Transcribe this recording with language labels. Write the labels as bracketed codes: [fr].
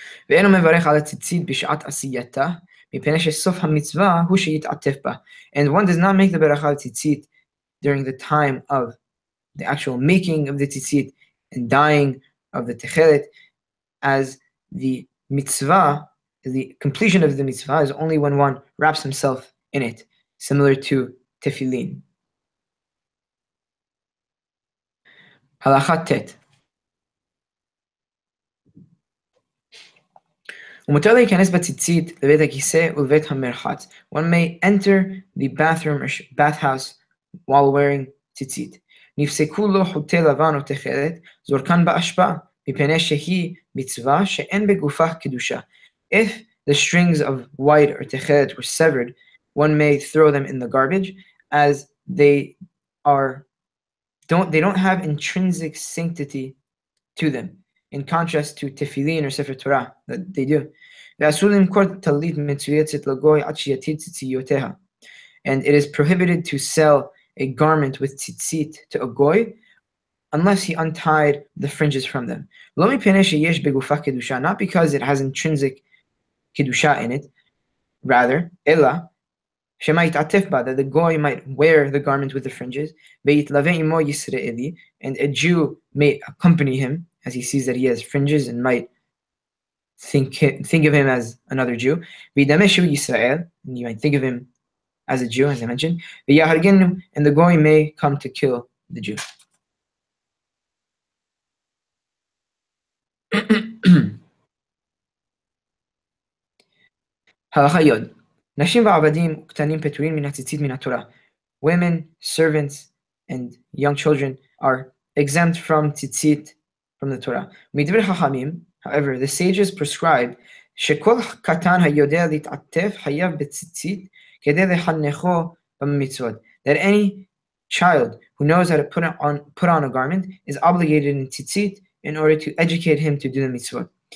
[he] ואינו מברך על הציצית בשעת עשייתה, מפני שסוף המצווה הוא שיתעטף בה. [en] And one does not make the [he] ברכה על ציצית [en] during the time of the actual making of the ציצית and dying of the תכלת, as the mitzvah, the completion of the mitzvah is only when one wraps himself in it, similar to tefillin. [he] הלכת תת. ומותר להיכנס בציצית לבית הכיסא ולבית המרחץ. [en] One may enter the bathroom or bathhouse while wearing tzitzit. [he] נפסקו לו חוטי לבן או תכלת, זורקן באשפה, מפני שהיא מצווה שאין בגופה קדושה. [en] If the strings of white or tekhelet were severed, one may throw them in the garbage, as they don't have intrinsic sanctity to them. In contrast to tefillin or sefer Torah, that they do. [he] ואסור למכור טלית מצויצת לגוי עד שיתיר ציציותיה. [en] And it is prohibited to sell a garment with tzitzit to a goy, unless he untied the fringes from them. [he] לא מפני שיש בגופה קדושה, [en] not because it has intrinsic קדושה in it, rather, [he] אלא, שמה יתעטף בה, [en] that the goy might wear the garment with the fringes, [he] ויתלווה עמו ישראלי, [en] and a Jew may accompany him, as he sees that he has fringes and might think of him as another Jew. [he] וידמה שהוא ישראל, [en] and you might think of him as a Jew, as I mentioned. [he] ויהרגנו, [en] and the goy may come to kill the Jew. [he] הלכה יוד. נשים ועבדים וקטנים פטורים מן הציצית מן התורה. [en] Women, servants, and young children are exempt from tzitzit from the Torah. [he] מדבר חכמים, [en] however, the sages prescribe [he] שכל קטן היודע להתעטף חייב בציצית כדי לחנכו במצוות. [en] That any child who knows how to put on a garment is obligated in tzitzit in order to educate him to do the mitzvot.